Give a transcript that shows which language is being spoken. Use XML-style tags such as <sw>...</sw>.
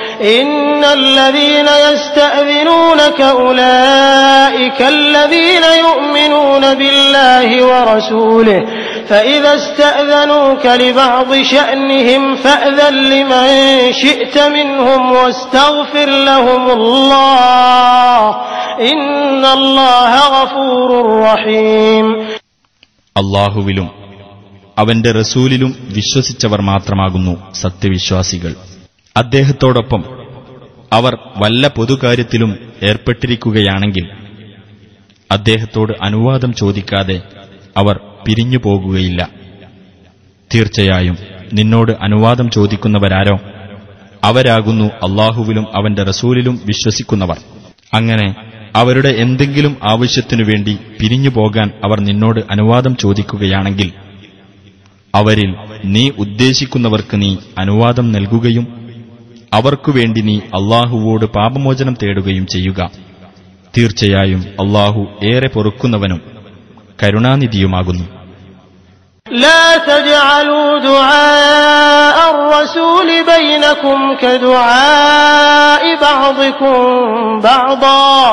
<ar>إن الذين يستأذنونك أولئك الذين يؤمنون بالله ورسوله فإذا استأذنوك لبعض شأنهم فأذن لمن شئت منهم واستغفر لهم الله إن الله غفور رحيم.</ar> <ml>അള്ളാഹുവിലും അവന്റെ റസൂലിലും വിശ്വസിച്ചവർ മാത്രമാകുന്നു സത്യവിശ്വാസികൾ. അദ്ദേഹത്തോടൊപ്പം അവർ വല്ല പൊതുകാര്യത്തിലും ഏർപ്പെട്ടിരിക്കുകയാണെങ്കിൽ അദ്ദേഹത്തോട് അനുവാദം ചോദിക്കാതെ അവർ പിരിഞ്ഞുപോകുകയില്ല. തീർച്ചയായും നിന്നോട് അനുവാദം ചോദിക്കുന്നവരാരോ അവരാകുന്നു അള്ളാഹുവിലും അവന്റെ റസൂലിലും വിശ്വസിക്കുന്നവർ. അങ്ങനെ അവരുടെ എന്തെങ്കിലും ആവശ്യത്തിനുവേണ്ടി പിരിഞ്ഞുപോകാൻ അവർ നിന്നോട് അനുവാദം ചോദിക്കുകയാണെങ്കിൽ അവരിൽ നീ ഉദ്ദേശിക്കുന്നവർക്ക് നീ അനുവാദം നൽകുകയും അവർക്കുവേണ്ടി നീ അള്ളാഹുവോട് പാപമോചനം തേടുകയും ചെയ്യുക. തീർച്ചയായും അള്ളാഹു ഏറെ പൊറുക്കുന്നവനും കരുണാനിധിയുമാകുന്നു.</ml> <ar>لا تجعلوا دعاء الرسول بينكم كدعاء بعضكم بعضا</ar>